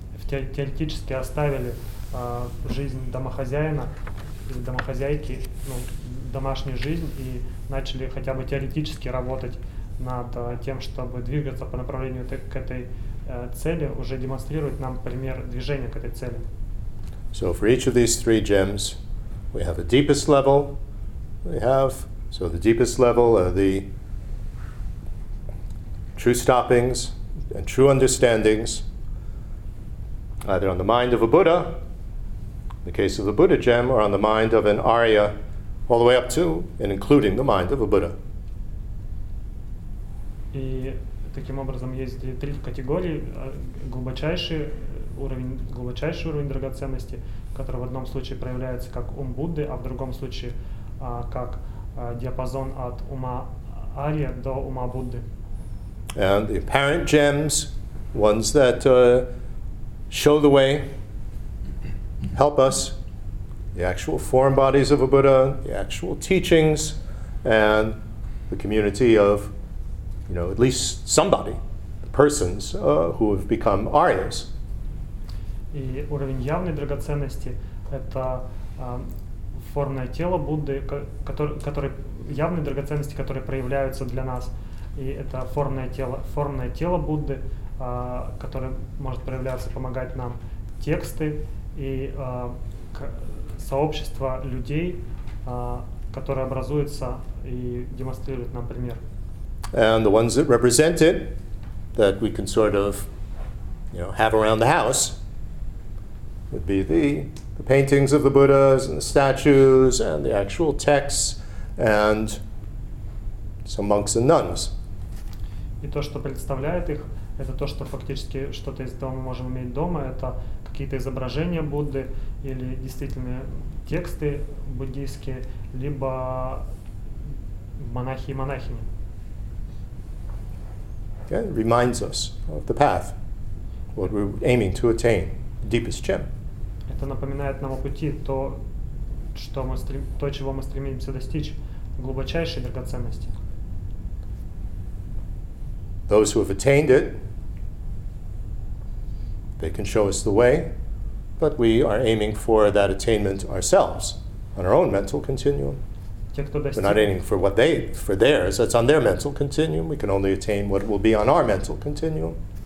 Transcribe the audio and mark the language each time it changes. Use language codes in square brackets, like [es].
[ru] теоретически оставили жизнь домохозяина или домохозяйки, ну, домашнюю жизнь, и начали хотя бы теоретически работать над тем, чтобы двигаться по направлению к этой цели, уже демонстрирует нам пример движения к этой цели. [en] So for each of these three gems, we have the deepest level, so the deepest level are the true stoppings and true understandings, either on the mind of a Buddha, in the case of the Buddha gem, or on the mind of an Arya, all the way up to and including the mind of a Buddha. [ru] И таким образом есть три категории: глубочайший уровень драгоценности, который в одном случае проявляется как ум Будды, а в другом случае как диапазон от ума Арья до ума Будды. [en] And the apparent gems, ones that show the way, help us, the actual form bodies of a Buddha, the actual teachings, and the community of, you know, at least somebody, the persons who have become Aryas. [ru] И уровень явной драгоценности — это формное тело Будды, который явной драгоценности, которые проявляются для нас. И это формное тело Будды, которое может проявляться, помогать нам, тексты и сообщество людей, которые образуются и демонстрируют нам пример. [en] And the ones that represent it, that we can sort of, you know, have around the house, would be the paintings of the Buddhas and the statues and the actual texts and some monks and nuns. [ru] И то, что представляет их, это то, что фактически что-то из этого мы можем иметь дома, это какие-то изображения Будды или действительно тексты буддийские, либо монахи и монахини. [en] Okay, it reminds us of the path, what we're aiming to attain, the deepest gem. [ru] Это напоминает нам о пути, чего мы стремимся достичь, глубочайшей драгоценности. [en] Those who have attained it, they can show us the way, but we are aiming for that attainment ourselves, on our own mental continuum. We're not aiming for what they, for theirs, that's on their mental continuum. We can only attain what will be on our mental continuum.